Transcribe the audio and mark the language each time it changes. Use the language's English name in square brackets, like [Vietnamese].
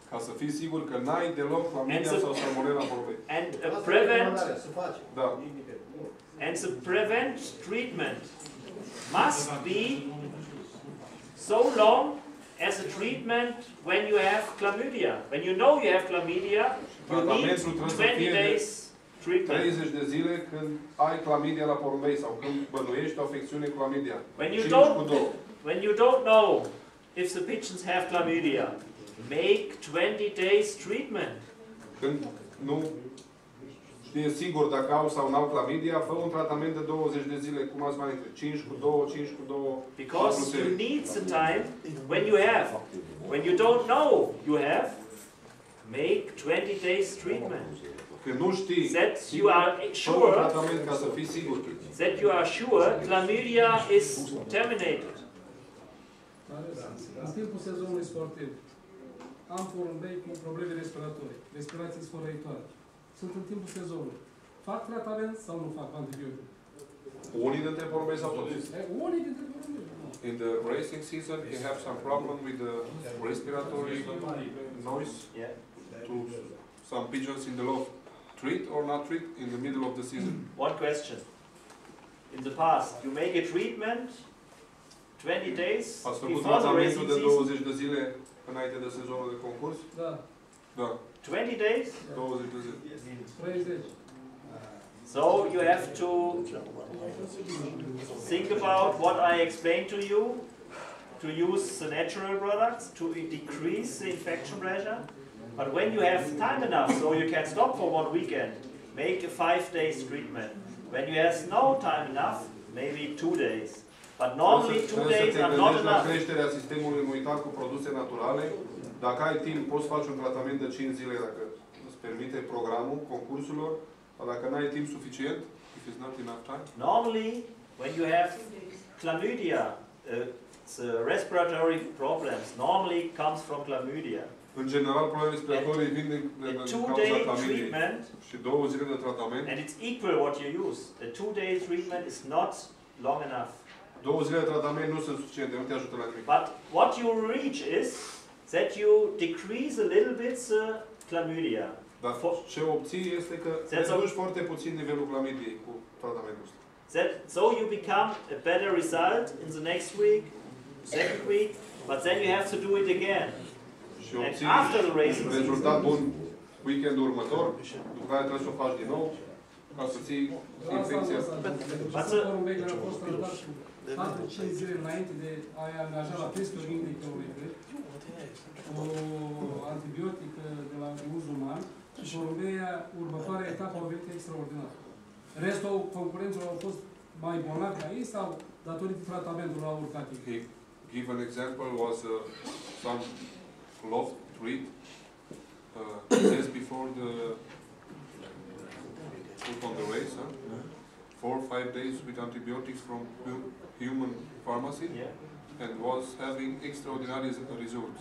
[Romanian] Ca să fii sigur că n-ai deloc chlamydia sau salmonella în porumbei. [English] And prevent. [Romanian] Da. [English] And the prevent treatment must be so long as a treatment when you have chlamydia. When you know you have chlamydia, you need 20 days. [Romanian] 30 de zile când ai clamidia la porumbei sau când bănuiești o afecțiune clamidia. [English] When you don't know if the pigeons have chlamydia, make 20 days treatment. [Romanian] Când nu știi sigur dacă au sau n-au clamidia, fă un tratament de 20 de zile, cum ați mai întrebat, 5 cu 2. [English] Because you need some time when you have. When you don't know you have, make 20 days treatment. [Romanian] Când nu știi, [English] that you are sure, [Romanian] ca să fii sigur. [English] That you are sure chlamydia is terminated. [Romanian] În timpul sezonului sportiv, am porumbei cu probleme respiratorii, respirații sporăitoare. Sunt în timpul sezonului. Fac tratament sau nu fac antibiotic? Unii dintre porumbei sau toți? Unii dintre porumbei. [English] In the racing season, you have some problem with the respiratory noise? Yeah. To some pigeons in the loft. Treat or not treat in the middle of the season? One question. In the past, you make a treatment 20 days before the racing season? [Romanian] Zile înainte de sezonul de concurs? Da. Da. [English] 20 days? [Romanian] 20 de zile. [English] Yes. So you have to think about what I explained to you, to use the natural products, to decrease the infection pressure. But when you have time enough, so you can stop for one weekend, make a 5 days treatment. When you have no time enough, maybe 2 days. But normally 2 days are not enough. [Romanian] Trebuie să te gândești la creșterea sistemului imunitar cu produse naturale. Dacă ai timp, poți face un tratament de 5 zile, dacă îți permite programul concursurilor. Dar dacă n-ai timp suficient, [English] if it's not enough time. Normally, when you have chlamydia, the respiratory problems normally comes from chlamydia. [Romanian] În general, problemele respiratorii vin din cauza clamidiei. Și 2 zile de tratament. [English] And it's equal what you use. A 2 day treatment is not long enough. [Romanian] 2 zile de tratament nu sunt suficiente, nu te ajută la nimic. [English] But what you reach is that you decrease a little bit the chlamydia. [Romanian] Dar ce obții este că reduci foarte puțin nivelul clamidiei cu tratamentul ăsta. [English] That so you become a better result in the next week, second week, but then you have to do it again. [Romanian] Și obții rezultat bun weekendul următor, după care trebuie să o faci din nou, ca să ții infecția. Pentru 5 zile înainte de a-i angaja la testul clinic, o antibiotică de la uz uman, și porumbeia, următoarea etapă, o venit extraordinară. Restul concurenților au fost mai bolnavi ca ei sau datorită tratamentului au urcat ei? [English] Give an example, was some loft treat just before the put on the race, huh? 4 or 5 days with antibiotics from human pharmacy, yeah. And was having extraordinary results.